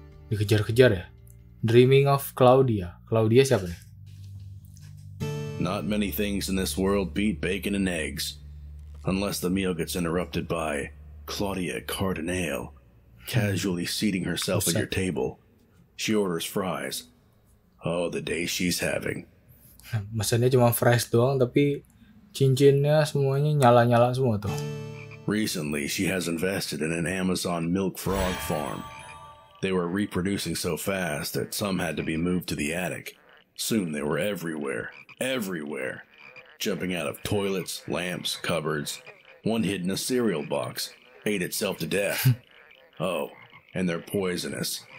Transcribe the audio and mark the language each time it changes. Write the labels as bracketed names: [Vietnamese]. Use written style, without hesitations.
[Indonesian] Dikejar-kejar ya. [English] Dreaming of Claudia. [Indonesian] Claudia siapa nih? [English] Not many things in this world beat bacon and eggs. Unless the meal gets interrupted by Claudia Cardinale casually seating herself at your table. She orders fries. Oh, the day she's having. [Indonesian] Mesennya cuma fries doang, tapi cincinnya semuanya nyala-nyala semua tuh. [English] Recently, she has invested in an Amazon milk frog farm. They were reproducing so fast that some had to be moved to the attic. Soon, they were everywhere. Everywhere. Jumping out of toilets, lamps, cupboards. One hid in a cereal box. Ate itself to death. Oh, and they're poisonous.